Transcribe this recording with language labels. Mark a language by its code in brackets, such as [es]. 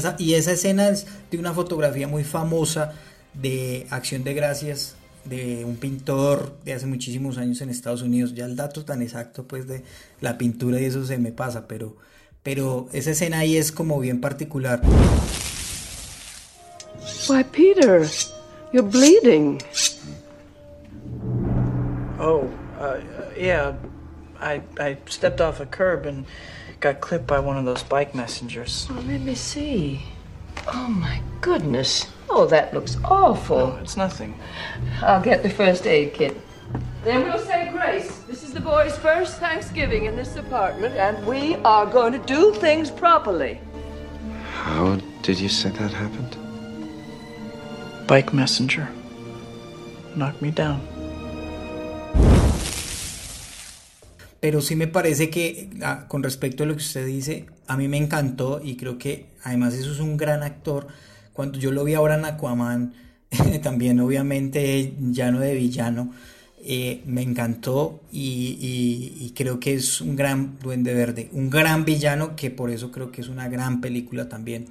[es] Y esa escena es de una fotografía muy famosa de Acción de Gracias, de un pintor de hace muchísimos años en Estados Unidos. Ya el dato tan exacto pues de la pintura y eso se me pasa, pero esa escena ahí es como bien particular. [en] Why, Peter, you're bleeding. Oh, yeah, I stepped off a curb and got clipped by one of those bike messengers. Well, let me see. Oh, my goodness. Oh, that looks awful. No, it's nothing. I'll get the first aid kit. Then we'll say grace. This is the boy's first Thanksgiving in this apartment, and we are going to do things properly. How did you say that happened? Bike messenger knocked me down. [es] Pero sí me parece que, con respecto a lo que usted dice, a mí me encantó, y creo que además eso es un gran actor. Cuando yo lo vi ahora en Aquaman, también obviamente ya no de villano, me encantó, y creo que es un gran Duende Verde, un gran villano, que por eso creo que es una gran película también.